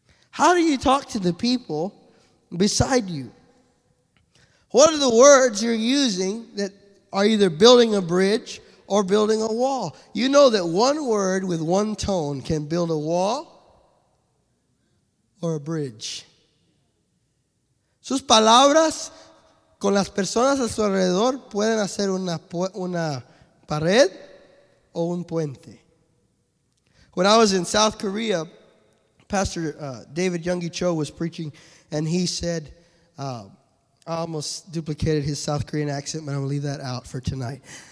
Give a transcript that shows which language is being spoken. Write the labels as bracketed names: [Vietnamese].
[English] How do you talk to the people beside you? What are the words you're using that are either building a bridge or building a wall? You know that one word with one tone can build a wall or a bridge. [Spanish] Sus palabras con las personas a su alrededor pueden hacer una pared o un puente. [English] When I was in South Korea, Pastor David Youngi Cho was preaching, and he said, I almost duplicated his South Korean accent, but I'm going to leave that out for tonight.